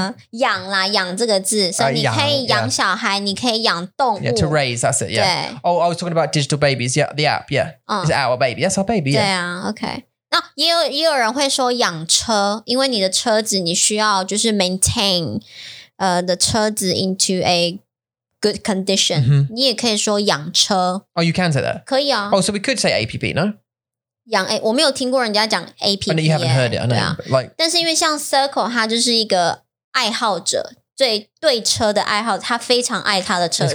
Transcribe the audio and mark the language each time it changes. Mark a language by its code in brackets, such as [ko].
[zh] 养啦,养这个字,所以你可以养小孩,你可以养动物。 [en] Yeah, to raise, that's it, yeah. Oh, I was talking about digital babies, yeah, the app, yeah. It's our baby, that's our baby, yeah. [zh] 对啊, [en] okay. [zh] 那也有人会说养车,因为你的车子你需要就是 maintain, the 车子 [en] into a good condition. [zh] 你也可以说养车。 [en] Oh, you can say that? [zh] 可以啊。 [en] Oh, so we could say APP, no? [zh] 养我没有听过人家讲 APP、 [en] oh, no, you haven't heard it, I know, [zh] 对啊 [en] like, [zh] 但是因为像 Circle 他就是一个爱好者最对车的爱好者他非常爱他的车子